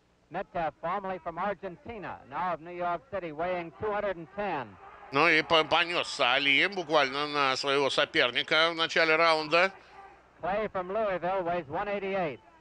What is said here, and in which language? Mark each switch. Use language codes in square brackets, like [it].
[en] Metcalf, formerly from Argentina, now of New York City, weighing 210. [ru] Ну и понесся Али буквально на своего соперника в начале раунда. [en] Clay from Louisville weighs 188.